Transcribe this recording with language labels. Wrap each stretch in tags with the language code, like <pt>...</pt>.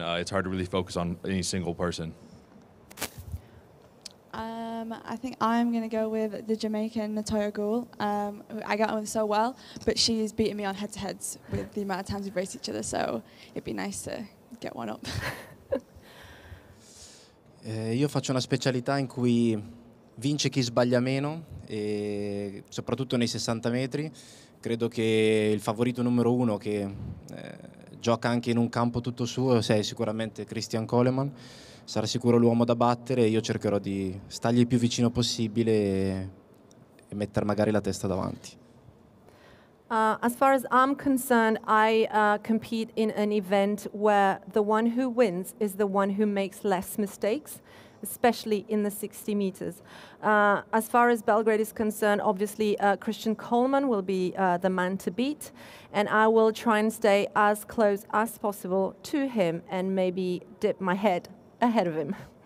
<en>It's hard to really focus on any single person. I think I'm going to go with the Jamaican Natoya Gould. I got on with so well, but she's beating me on head-to-heads with the amount of times we've raced each other, so it'd be nice to get one up.</en> <it>Io faccio una specialità in cui vince chi sbaglia meno, e soprattutto nei 60 metri. Credo che il favorito numero uno, che gioca anche in un campo tutto suo, sia sicuramente Christian Coleman. Sarà sicuro l'uomo da battere, io cercherò di stargli il più vicino possibile e mettere magari la testa davanti.</it> <en>As far as I'm concerned, I compete in an event where the one who wins is the one who makes less mistakes, especially in the 60 meters. As far as Belgrade is concerned, obviously Christian Coleman will be the man to beat, and I will try and stay as close as possible to him and maybe dip my head ahead of him.</en>